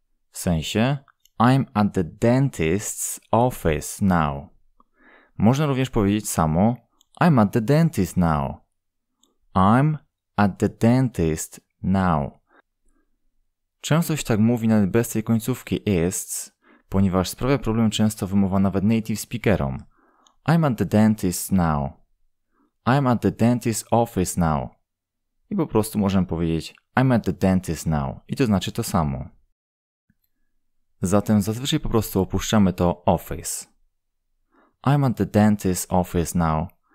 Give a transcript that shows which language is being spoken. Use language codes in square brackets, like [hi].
[pl] W sensie [en] I'm at the dentist's office now. [pl] Można również powiedzieć samo [en] I'm at the dentist now. I'm at the dentist now. [pl] Często się tak mówi nawet bez tej końcówki ists, ponieważ sprawia problem często wymowa nawet native speakerom. [en] I'm at the dentist now. I'm at the dentist's office now. [pl] I po prostu możemy powiedzieć [en] I'm at the dentist now. [pl] I to znaczy to samo. Zatem zazwyczaj po prostu opuszczamy to office. [en] I'm at the dentist's office now.